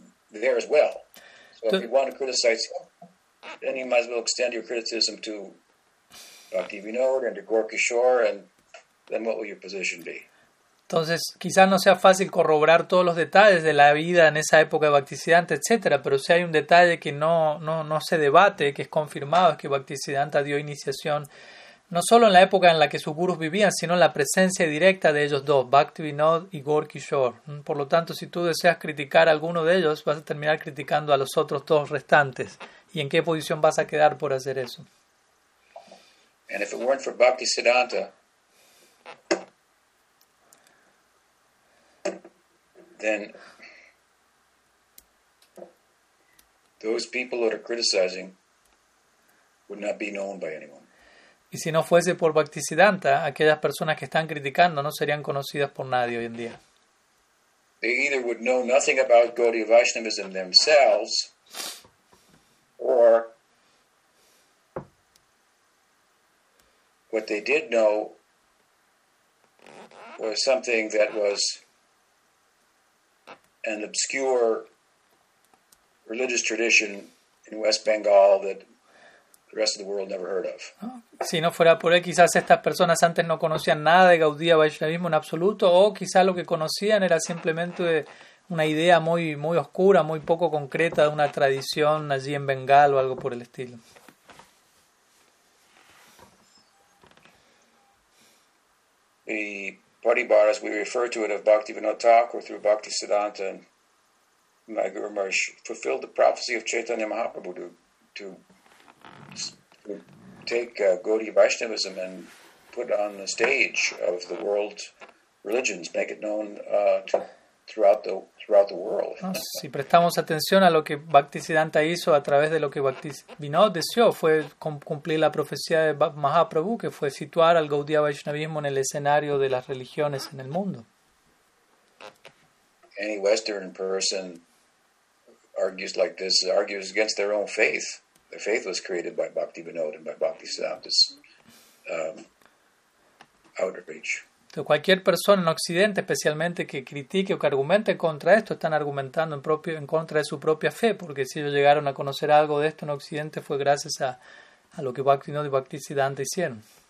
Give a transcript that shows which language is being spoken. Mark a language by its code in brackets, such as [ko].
[en] there as well. So if you want to criticize him, then you might as well extend your criticism to Bhaktivinoda and to Gorky Shore, and then what will your position be? [es] Entonces, quizás no sea fácil corroborar todos los detalles de la vida en esa época de Bhaktisiddhanta, etcétera, pero si hay un detalle que no se debate, que es confirmado, es que Bhaktisiddhanta dio iniciación no solo en la época en la que sus gurús vivían, sino en la presencia directa de ellos dos, Bhaktivinoda y Gorkishore. Por lo tanto, si tú deseas criticar a alguno de ellos, vas a terminar criticando a los otros dos restantes. ¿Y en qué posición vas a quedar por hacer eso? [en] And if it weren't for Bhaktisiddhanta, then those people that are criticizing would not be known by anyone. [es] Y si no fuese por Bhaktisiddhanta, aquellas personas que están criticando no serían conocidas por nadie hoy en día. [en] They either would know nothing about Gaudiya Vaishnavism themselves, or what they did know was something that was an obscure religious tradition in West Bengal that the rest of the world never heard of. [es] Si no fuera por él, quizás estas personas antes no conocían nada de Gaudiya Vaishnavismo en absoluto, o quizás lo que conocían era simplemente una idea muy, muy oscura, muy poco concreta de una tradición allí en Bengal o algo por el estilo. [en] The Paribharas, we refer to it as Bhaktivinoda Thakur through Bhaktisiddhanta, and my Guru Maharaj fulfilled the prophecy of Chaitanya Mahaprabhu to take Gaudiya Vaishnavism and put on the stage of the world religions, make it known throughout the world. [es] Si prestamos atención a lo que Bhaktisiddhanta hizo a través de lo que Bhaktivinoda deseó, fue cumplir la profecía de Mahaprabhu, que fue situar al Gaudiya Vaishnavismo en el escenario de las religiones en el mundo. [en] Any Western person argues like this, argues against their own faith. Their faith was created by Bhaktivinoda and by Bhaktisiddhanta's outreach. [es] Cualquier persona en Occidente, especialmente que critique o que argumente contra esto, están argumentando en contra de su propia fe, porque si ellos llegaron a conocer algo de esto en Occidente fue gracias a lo que Bhaktivinoda y Bhaktisiddhanta hicieron.